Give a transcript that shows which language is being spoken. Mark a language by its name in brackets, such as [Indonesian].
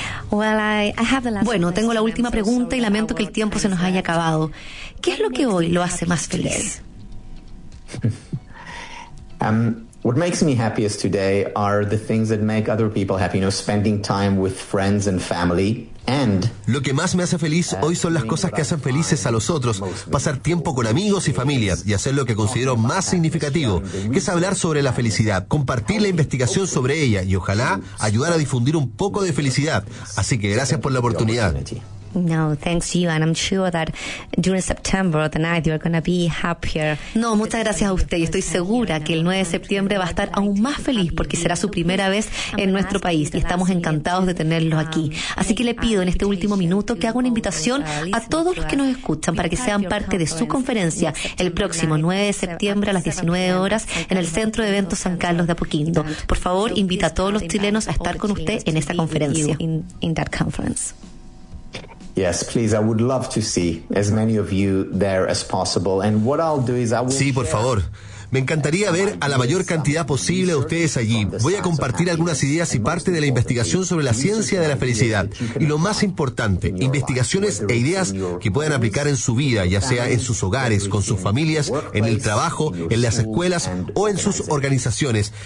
[Spanish] Bueno, tengo la última pregunta y lamento que el tiempo se nos haya acabado. ¿Qué es lo que hoy lo hace más feliz? [English] What makes me happiest today are the things that make other people happy, you know, spending time with friends and family. [Spanish] Lo que más me hace feliz hoy son las cosas que hacen felices a los otros, pasar tiempo con amigos y familia y hacer lo que considero más significativo, que es hablar sobre la felicidad, compartir la investigación sobre ella y ojalá ayudar a difundir un poco de felicidad. Así que gracias por la oportunidad. [English] No, thanks you, and I'm sure that during September the night you're gonna be happier. [Spanish] No, muchas gracias a usted. Estoy segura que el 9 de septiembre va a estar aún más feliz porque será su primera vez en nuestro país y estamos encantados de tenerlo aquí. Así que le pido en este último minuto que haga una invitación a todos los que nos escuchan para que sean parte de su conferencia el próximo 9 de septiembre a las 19 horas en el Centro de Eventos San Carlos de Apoquindo. Por favor, invita a todos los chilenos a estar con usted en esta conferencia. [English] In that conference. Yes, please. I would love to see as many of you there as possible. And what I'll do is I will. [Spanish] Sí, por favor. Me encantaría ver a la mayor cantidad posible de ustedes allí. Voy a compartir algunas ideas y parte de la investigación sobre la ciencia de la felicidad. Y lo más importante, investigaciones e ideas que puedan aplicar en su vida, ya sea en sus hogares, con sus familias, en el trabajo, en las escuelas o en sus organizaciones.